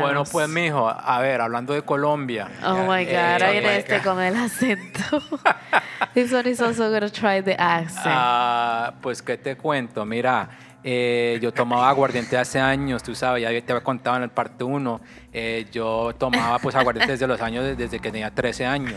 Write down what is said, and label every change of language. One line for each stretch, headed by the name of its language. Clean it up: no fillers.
Spanish: Bueno, pues, mijo, a ver, hablando de Colombia.
English: Oh, my God.
Spanish: I viene este con el acento.
English: This one is also going to try the accent.
Spanish: Pues, ¿qué te cuento? Mira. Yo tomaba aguardiente hace años, tú sabes, ya te había contado en el parte 1. Yo tomaba pues aguardiente desde los años, desde que tenía 13 años.